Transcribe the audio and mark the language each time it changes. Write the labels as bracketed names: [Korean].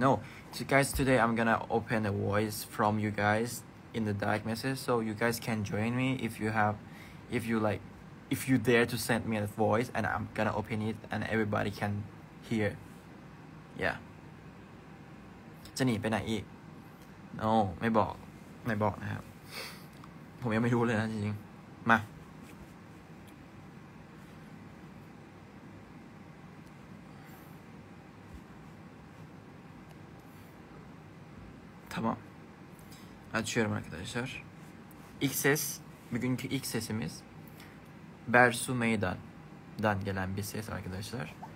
[English] No, so guys, today I'm gonna open a voice from you guys in the direct message, so you guys can join me if you dare to send me a voice, and I'm gonna open it, and everybody can hear. Yeah. [Thai] จะหนีไปไหนอีก No, ไม่บอกไม่บอกนะครับผมยังไม่รู้เลยนะจริงๆมา [Turkish] Tamam. Açıyorum arkadaşlar. İlk ses, bugünkü ilk sesimiz Bersu Meydan'dan gelen bir ses arkadaşlar.